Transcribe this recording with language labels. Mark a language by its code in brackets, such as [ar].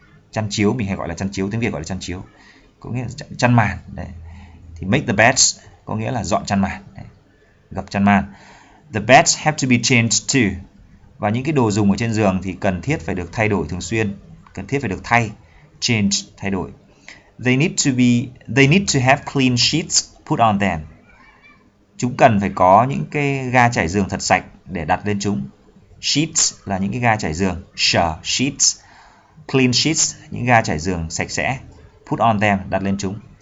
[vi] Chăn chiếu, mình hay gọi là chăn chiếu, tiếng Việt gọi là chăn chiếu. Có nghĩa là chăn màn. Đấy. Thì [en] make the beds [vi] có nghĩa là dọn chăn màn. Đấy. Gập chăn màn. [en] The beds have to be changed too. [vi] Và những cái đồ dùng ở trên giường thì cần thiết phải được thay đổi thường xuyên, cần thiết phải được thay, change, thay đổi. [en] They need to have clean sheets put on them. [vi] Chúng cần phải có những cái ga trải giường thật sạch để đặt lên chúng. Sheets là những cái ga trải giường, sheets, [en] clean sheets, [vi] những ga trải giường sạch sẽ, [en] put on them, [vi] đặt lên chúng.